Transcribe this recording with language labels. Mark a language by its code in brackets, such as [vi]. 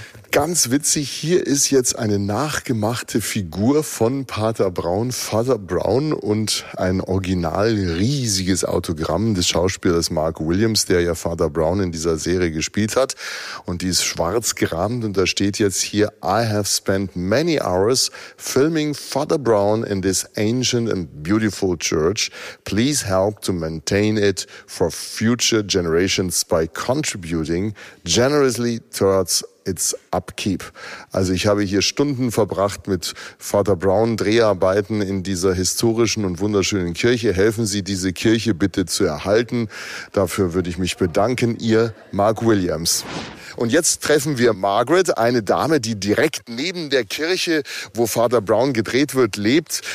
[de] Ganz witzig, hier ist jetzt eine nachgemachte Figur von Pater Brown, Father Brown, und ein original riesiges Autogramm des Schauspielers Mark Williams, der ja Father Brown in dieser Serie gespielt hat. Und die ist schwarz gerahmt und da steht jetzt hier: [en] I have spent many hours filming Father Brown in this ancient and beautiful church. Please help to maintain it for future generations by contributing generously towards its upkeep. [de] Also ich habe hier Stunden verbracht mit Father Brown, Dreharbeiten in dieser historischen und wunderschönen Kirche. Helfen Sie, diese Kirche bitte zu erhalten. Dafür würde ich mich bedanken. Ihr Mark Williams. Und jetzt treffen wir Margaret, eine Dame, die direkt neben der Kirche, wo Father Brown gedreht wird, lebt.